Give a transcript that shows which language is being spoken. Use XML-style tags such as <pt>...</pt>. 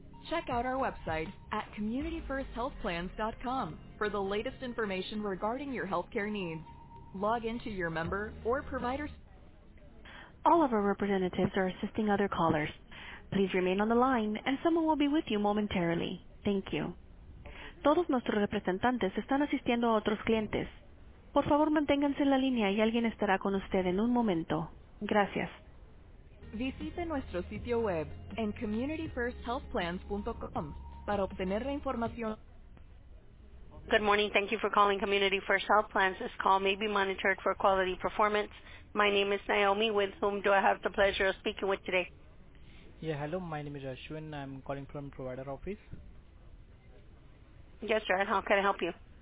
<en>Check out our website at communityfirsthealthplans.com for the latest information regarding your healthcare needs. Log into your member or provider. All of our representatives are assisting other callers. Please remain on the line and someone will be with you momentarily. Thank you.</en> <es>Todos nuestros representantes están asistiendo a otros clientes. Por favor, manténganse en la línea y alguien estará con usted en un momento. Gracias. Visite nuestro sitio web en communityfirsthealthplans.com para obtener la información.</es> <en>Good morning. Thank you for calling Community First Health Plans. This call may be monitored for quality performance. My name is Naomi. With whom do I have the pleasure of speaking with today? Yeah, hello. My name is Ashwin. I'm calling from provider office. Yes, sir. How can I help you?</en>